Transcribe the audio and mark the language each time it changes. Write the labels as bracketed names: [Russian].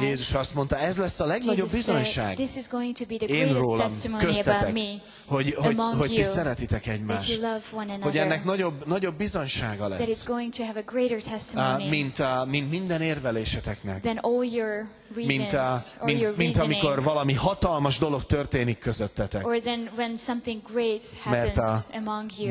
[Hungarian] Jézus azt mondta, ez lesz a legnagyobb bizonyság. [English] This is going to be the greatest testimony [Hungarian] köztetek, [English] about me. [Hungarian] Hogy ti szeretitek egymást. Hogy ennek nagyobb bizonysága lesz. [English] That is going to have a greater testimony. [Hungarian] Mint minden érveléseteknek. [English] Than all your reasons [Hungarian] mint amikor valami hatalmas dolog történik közöttetek. [English] Or then when something great happens among you.